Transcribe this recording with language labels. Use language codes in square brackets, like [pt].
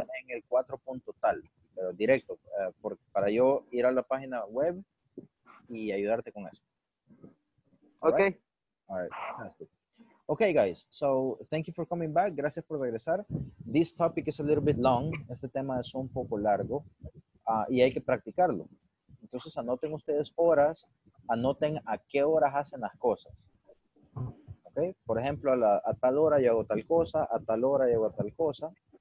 [es] en el 4 punto tal, pero directo, para yo ir a la página web y ayudarte con eso. [en] Ok. All right. Fantastic. Okay, guys, so thank you for coming back. [es] Gracias por regresar. [en] This topic is a little bit long. [es] Este tema es un poco largo y hay que practicarlo. Entonces, anoten ustedes horas, anoten a qué horas hacen las cosas. Okay? Por ejemplo, a tal hora yo hago tal cosa, a tal hora yo hago tal cosa.